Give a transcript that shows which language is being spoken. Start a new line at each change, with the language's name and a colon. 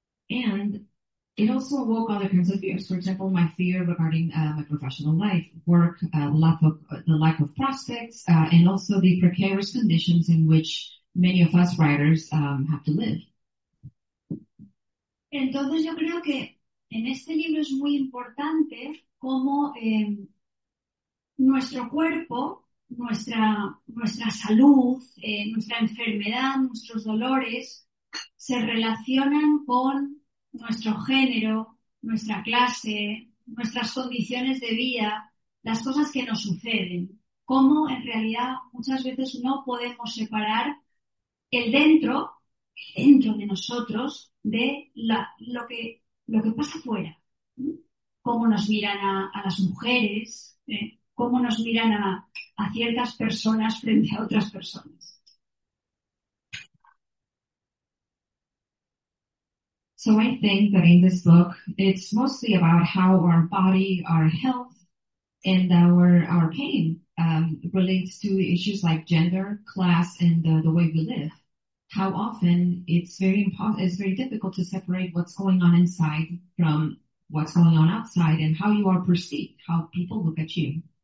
English: And it also awoke other kinds of fears. For example, my fear regarding my professional life, work, the lack of prospects, and also the precarious conditions in which many of us writers have to live.
Spanish: Entonces yo creo que En este libro es muy importante cómo nuestro cuerpo, nuestra salud, nuestra enfermedad, nuestros dolores se relacionan con nuestro género, nuestra clase, nuestras condiciones de vida, las cosas que nos suceden. Cómo en realidad muchas veces no podemos separar el dentro de nosotros, de lo que pasa fuera. Cómo nos miran a las mujeres, cómo nos miran a ciertas personas frente a otras personas.
English: So I think that in this book, it's mostly about how our body, our health, and our pain relates to issues like gender, class, and the way we live. How often it's very difficult to separate what's going on inside from what's going on outside and how you are perceived, how people look at you.